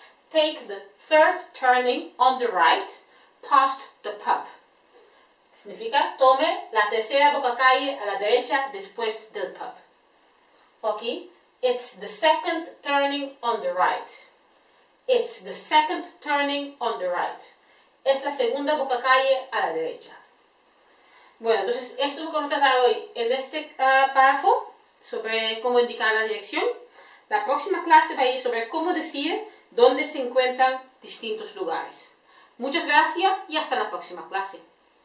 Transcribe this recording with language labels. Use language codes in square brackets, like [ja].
[en] Take the third turning on the right, past the pub. [es] Significa tome la tercera boca calle a la derecha después del pub. Aquí, [en] it's the second turning on the right. It's the second turning on the right. [es] Es la segunda boca calle a la derecha. Bueno, entonces, esto es lo que vamos a tratar hoy en este párrafo sobre cómo indicar la dirección. La próxima clase va a ir sobre cómo decir dónde se encuentran distintos lugares. Muchas gracias y hasta la próxima clase.